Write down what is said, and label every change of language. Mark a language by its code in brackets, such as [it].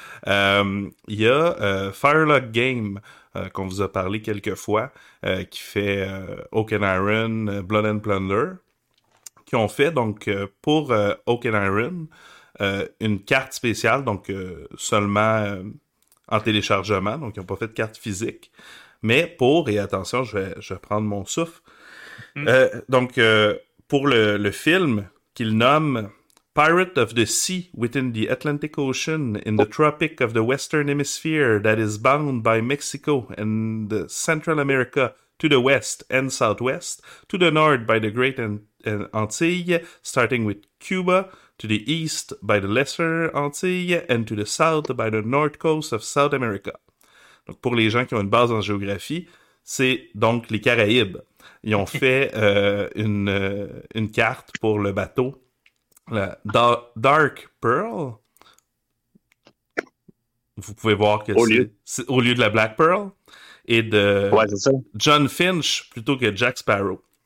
[fr] Il y a Firelock Game, qu'on vous a parlé quelques fois, qui fait Oaken Iron, Blood and Plunder, qui ont fait donc pour Oaken Iron une carte spéciale, donc seulement en téléchargement, donc ils n'ont pas fait de carte physique, mais pour, et attention, je vais prendre mon souffle, pour le film qu'il nomme [en] Pirate of the sea within the Atlantic Ocean in the Tropic of the Western Hemisphere that is bound by Mexico and Central America to the west and southwest, to the north by the Great Antilles, starting with Cuba, to the east by the Lesser Antilles, and to the south by the north coast of South America. [fr] Donc, pour les gens qui ont une base en géographie, c'est donc les Caraïbes. Ils ont fait une carte pour le bateau, la Dark Pearl. Vous pouvez voir que c'est au lieu de la Black Pearl. Et de John Finch plutôt que Jack Sparrow.